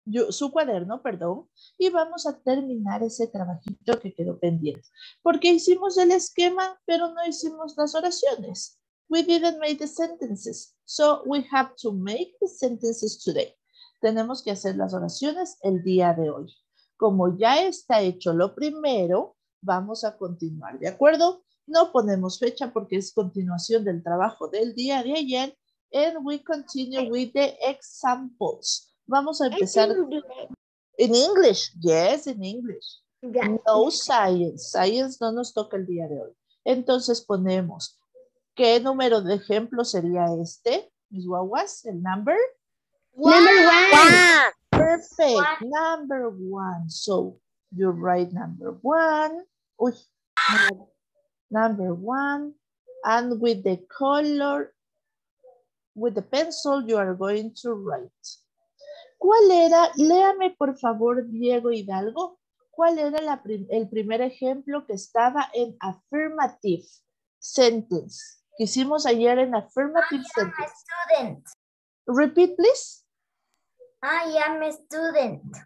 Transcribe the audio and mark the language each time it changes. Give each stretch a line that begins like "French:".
Spanish: Su cuaderno, perdón, y vamos a terminar ese trabajito que quedó pendiente. Porque hicimos el esquema, pero no hicimos las oraciones.
English: We didn't make the sentences, so we have to make the sentences today.
Spanish: Tenemos que hacer las oraciones el día de hoy. Como ya está hecho lo primero, vamos a continuar, ¿de acuerdo? No ponemos fecha porque es continuación del trabajo del día de ayer.
English: And we continue with the examples.
Spanish: Vamos a empezar
English: in English. Yes, in English. No science.
Spanish: Science no nos toca el día de hoy. Entonces ponemos, ¿qué número de ejemplo sería este? Mis guaguas, el number.
English: Number one. Perfect. One. Number one. So you write number one. Uy. Number one. And with the color, with the pencil, you are going to write.
Spanish: ¿Cuál era? Léame, por favor, Diego Hidalgo. ¿Cuál era el primer ejemplo que estaba en affirmative sentence? Que hicimos ayer en affirmative sentence.
English: I am a student. Repeat, please. I am a student.